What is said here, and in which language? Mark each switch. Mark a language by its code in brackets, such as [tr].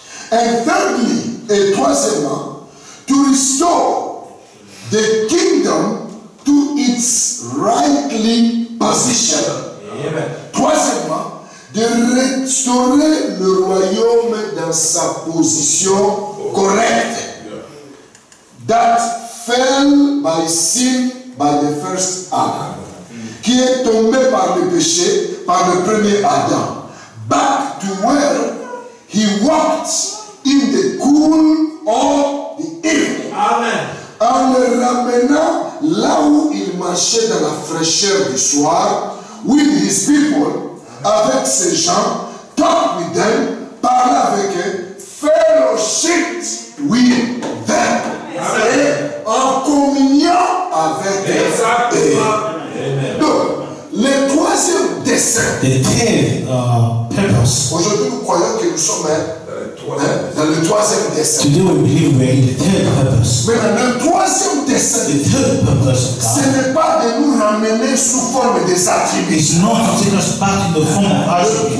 [en] And thirdly, [fr] et troisièmement, [en] to restore the kingdom to its rightly position. Amen. [fr] Troisièmement, de restaurer le royaume dans sa position correcte. [en] That fell by sin by the first Adam. [fr] Qui est tombé par le péché, par le premier Adam. [en] Back to where he walked in the cool of the evening. Amen. [fr] En le ramenant là où il marchait dans la fraîcheur du soir, [en] with his people, amen, [fr] avec ses gens, [en] talk with them, [fr] parle avec eux, [en] fellowship with them. [fr] Amen. Et en communion avec eux. Amen. Donc, le troisième dessein. [en] The third purpose. [fr] Aujourd'hui, nous croyons que nous sommes dans le troisième dessin. [en] Today we believe we are in the third purpose. [fr] Mais dans le troisième dessin, [en] the third purpose, [fr] ce n'est pas de nous ramener sous forme des attributs. [en] It's not to take us back in the form of attributes.